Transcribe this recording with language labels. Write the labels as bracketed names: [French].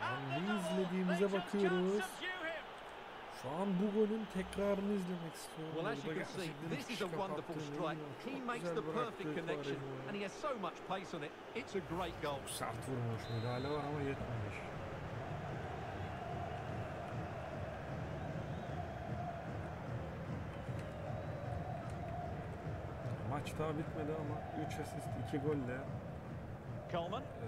[Turkish] Ne izlediğimize bakıyoruz. Şu an bu golün tekrarını izlemek istiyorum. [English] Well, as you can see, this is a wonderful strike. He makes the perfect connection and he has so much pace on it. It's a great goal. [Turkish] Sert vurmuş, müdahale var ama yetmemiş. Maç daha bitmedi ama 3 asist, 2 golle. Coleman.